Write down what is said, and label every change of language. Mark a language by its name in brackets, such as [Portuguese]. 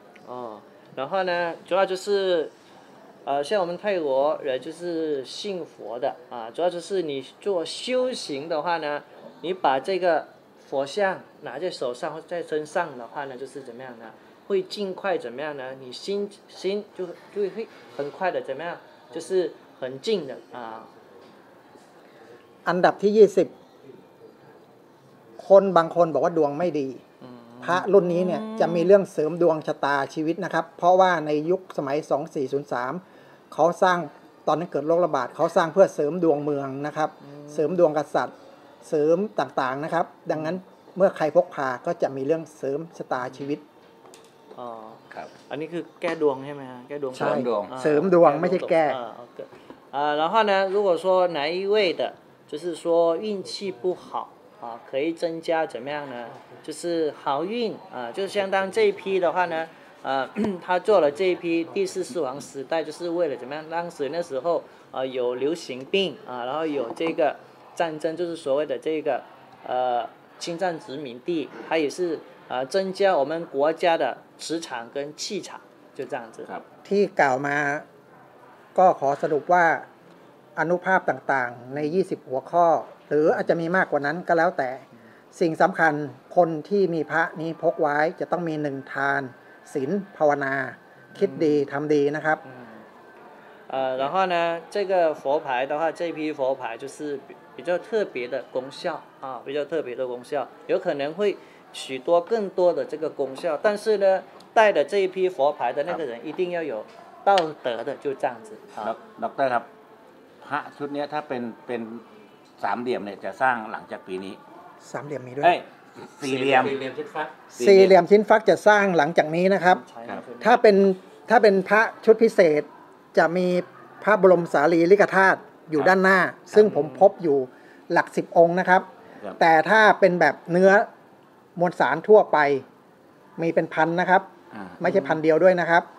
[Chinese] อ๋อ然后呢主要就是像我们泰国人就是信佛的主要就是你做修行的话呢你把这个佛像拿在手上或在身上的话呢就是怎么样呢会尽快怎么样呢你心就会很快的怎么样就是很近的 [Thai] อันดับที่20คนบางคนบอกว่าดวงไม่ดีพระรุ่นนี้เนี่ยจะมีเรื่องเสริมดวงชะตาชีวิตนะครับเพราะว่าในยุคสมัย2403เขาสร้างตอนนั้นเกิดโรคระบาดเขาสร้างเพื่อเสริมดวงเมืองนะครับเสริมดวงกษัตริย์เสริมต่างๆนะครับดังนั้นเมื่อใครพกพาก็จะมีเรื่องเสริมชะตาชีวิต ครับอันนี้คือแก้ดวงใช่มั้ยฮะแก้ดวง เสริมดวง เสริมดวงไม่ใช่แก้ [Chinese] 然后呢如果说哪一位的就是说运气不好可以增加怎么样呢就是好运就是相当这一批的话呢他做了这一批第四世王时代就是为了怎么样当时那时候有流行病然后有这个战争就是所谓的这个侵占殖民地他也是增加我们国家的磁场跟气场就这样子 [Thai] ที่กล่าวมาก็ขอสรุปว่าอนุภาพต่างๆใน20หัวข้อหรืออาจจะมีมากกว่านั้นก็แล้วแต่ สิ่งสำคัญคนที่มีพระนี้พกไว้จะต้องมีหนึ่งทานศีลภาวนาคิดดีทำดีนะครับ [Chinese] 然后呢这个佛牌的话这批佛牌就是比较特别的功效啊比较特别的功效有可能会许多更多的这个功效但是呢带的这一批佛牌的那个人一定要有道德的就这样子好老大哥 [Thai] พระชุดนี้ถ้าเป็นสามเหลี่ยมเนี่ยจะสร้างหลังจากปีนี้สามเหลี่ยมมีด้ว ยสี่ เหลี่ ยมชิ้นฟัก สี่เหลี่ยมชิ้นฟักจะสร้างหลังจากนี้นะครับถ้าเป็นพระชุดพิเศษจะมีพระบรมสารีริกธาตุอยู่ด้านหน้าซึ่งผมพบอยู่หลักสิบองค์นะครับแต่ถ้าเป็นแบบเนื้อมวลสารทั่วไปมีเป็นพันนะครับไม่ใช่พันเดียวด้วยนะครับ